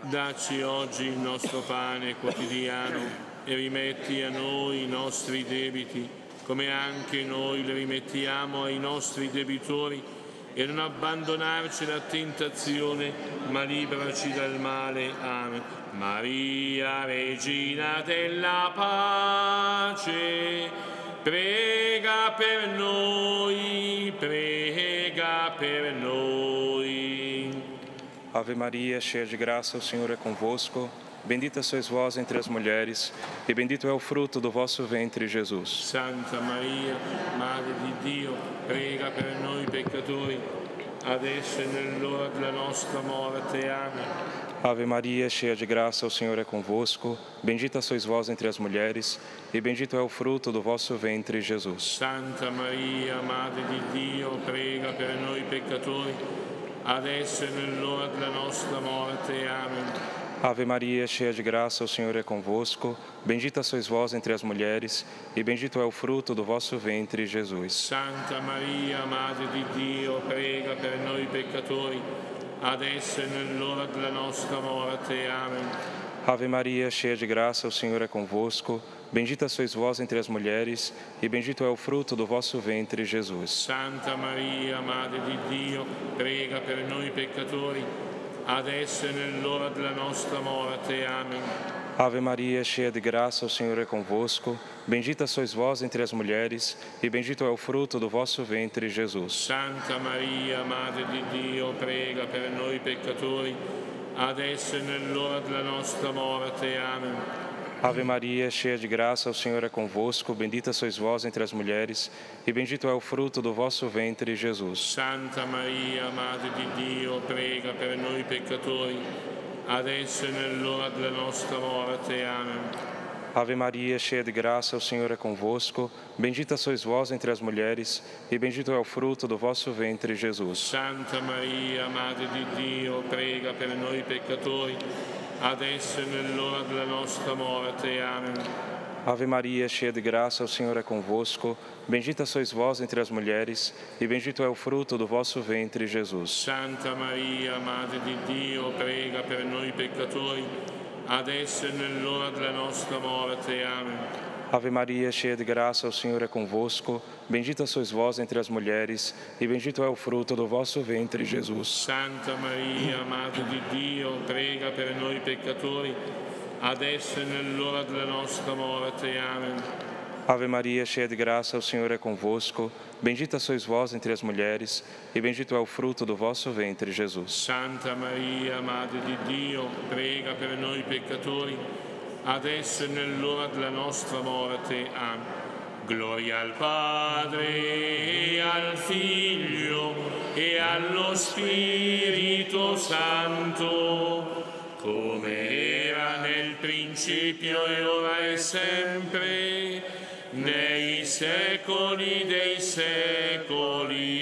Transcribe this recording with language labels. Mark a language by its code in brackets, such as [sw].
[it] Dacci oggi il nostro pane quotidiano e rimetti a noi i nostri debiti, come anche noi li rimettiamo ai nostri debitori, e non abbandonarci alla tentazione, ma liberaci dal male. Amen. Maria, Regina della Pace, prega per noi, prega per noi. [pt] Ave Maria, cheia de graça, o Senhor é convosco. Bendita sois vós entre as mulheres, e bendito é o fruto do vosso ventre, Jesus. [it] Santa Maria, Madre de Deus, prega per noi, peccatori. Adesso e nell'ora della nostra morte. Amen. [pt] Ave Maria, cheia de graça, o Senhor é convosco. Bendita sois vós entre as mulheres, e bendito é o fruto do vosso ventre, Jesus. [it] Santa Maria, Madre de Deus, prega per noi peccatori. Adesso e nell'ora della nostra morte. Amen. [pt] Ave Maria, cheia de graça, o Senhor é convosco. Bendita sois vós entre as mulheres, e bendito é o fruto do vosso ventre, Jesus. [it] Santa Maria, Madre de Deus, prega per noi peccatori, adesso e nell'ora della nostra morte. Amen. [pt] Ave Maria, cheia de graça, o Senhor é convosco. Bendita sois vós entre as mulheres, e bendito é o fruto do vosso ventre, Jesus. [it] Santa Maria, Madre de Deus, prega per noi peccatori, adesso e nell'ora della nostra morte. Amen. [pt] Ave Maria, cheia de graça, o Senhor é convosco. Bendita sois vós entre as mulheres, e bendito é o fruto do vosso ventre, Jesus. [it] Santa Maria, Madre de Deus, prega per noi peccatori, adesso e nell'ora della nostra morte. Amen. [pt] Ave Maria, cheia de graça, o Senhor é convosco. Bendita sois vós entre as mulheres, e bendito é o fruto do vosso ventre, Jesus. [it] Santa Maria, Madre de Deus, prega per noi peccatori, adesso e nell'ora della nostra morte. Amen. [pt] Ave Maria, cheia de graça, o Senhor é convosco. Bendita sois vós entre as mulheres, e bendito é o fruto do vosso ventre, Jesus. [it] Santa Maria, Madre de Deus, prega per noi peccatori, adesso e nell'ora della nostra morte. Amen. [pt] Ave Maria, cheia de graça, o Senhor é convosco. Bendita sois vós entre as mulheres, e bendito é o fruto do vosso ventre, Jesus. [it] Santa Maria, Madre de Deus, prega per noi peccatori, adesso e nell'ora della nostra morte. Amen. [pt] Ave Maria, cheia de graça, o Senhor é convosco. Bendita sois vós entre as mulheres, e bendito é o fruto do vosso ventre, Jesus. [it] Santa Maria, Madre de Deus, prega per noi peccatori, adesso e nell'ora della nostra morte. Amen. [pt] Ave Maria, cheia de graça, o Senhor é convosco. Bendita sois vós entre as mulheres, e bendito é o fruto do vosso ventre, Jesus. [it] Santa Maria, Madre de Deus, prega per noi peccatori, adesso e nell'ora della nostra morte. Amen. Gloria al Padre, e al Figlio, e allo Spirito Santo, come era nel principio e ora è sempre, nei secoli dei secoli.